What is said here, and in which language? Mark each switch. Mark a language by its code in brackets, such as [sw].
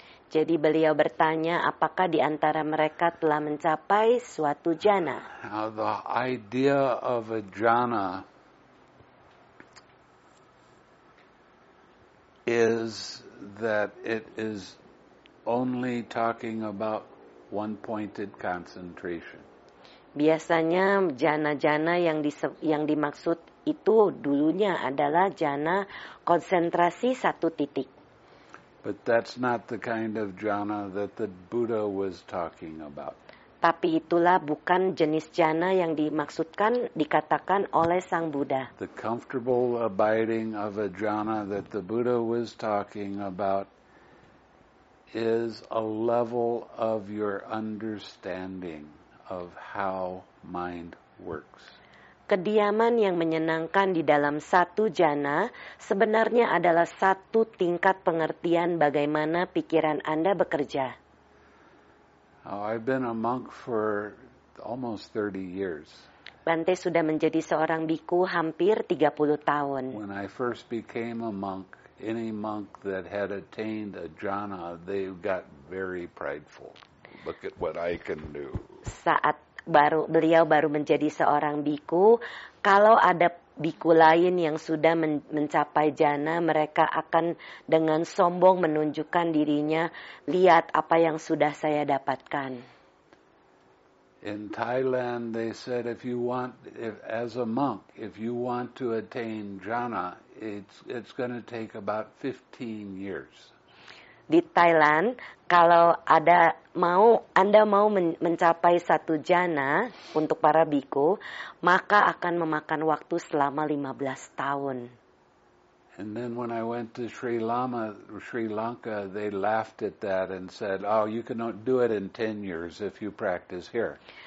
[id] Jadi beliau bertanya apakah di antara mereka telah mencapai suatu jhana. [en] The idea of a jhana is that it is only talking about one-pointed concentration. [id] Biasanya jhana-jhana yang dimaksud itu dulunya adalah jhana konsentrasi satu titik. [en] But that's not the kind of jhana that the Buddha was talking about. [id] Tapi itulah bukan jenis jhana yang dimaksudkan, dikatakan oleh Sang Buddha. [en] The comfortable abiding of a jhana that the Buddha was talking about is a level of your understanding of how mind works. [id] Kediaman yang menyenangkan di dalam satu jhana sebenarnya adalah satu tingkat pengertian bagaimana pikiran Anda bekerja. [en] Oh, I've been a monk for almost 30 years. [id] Bante sudah menjadi seorang biku hampir 30 tahun. [en] When I first became a monk, any monk that had attained a jhana, they got very prideful. Look at what I can do. [id] Saat beliau baru menjadi seorang biku, kalau ada biku lain yang sudah mencapai jhana, mereka akan dengan sombong menunjukkan dirinya, lihat apa yang sudah saya dapatkan. [en] In Thailand, they said as a monk, if you want to attain jhana, it's going to take about 15 years. [id] Di Thailand, kalau Anda mau mencapai satu jhana untuk para biku, maka akan memakan waktu selama 15 tahun. [en] And then when I went to Sri Lanka, they laughed at that and said, "Oh, you cannot do it in 10 years if you practice here."